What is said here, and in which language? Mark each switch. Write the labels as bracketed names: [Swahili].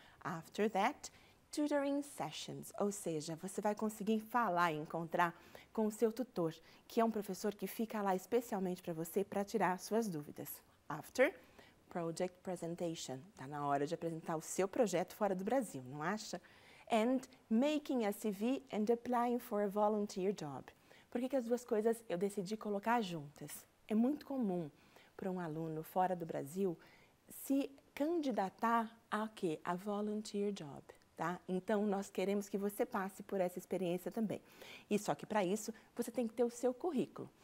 [English] After that, tutoring sessions, [Portuguese] ou seja, você vai conseguir falar e encontrar com o seu tutor, que é um professor que fica lá especialmente para você para tirar suas dúvidas. [English] After, project presentation, [Portuguese] está na hora de apresentar o seu projeto fora do Brasil, não acha? [English] And making a CV and applying for a volunteer job. [Portuguese] Por que que as duas coisas eu decidi colocar juntas? É muito comum para um aluno fora do Brasil se candidatar a quê? [English] A volunteer job, [Portuguese] tá? Então, nós queremos que você passe por essa experiência também. E só que para isso, você tem que ter o seu currículo.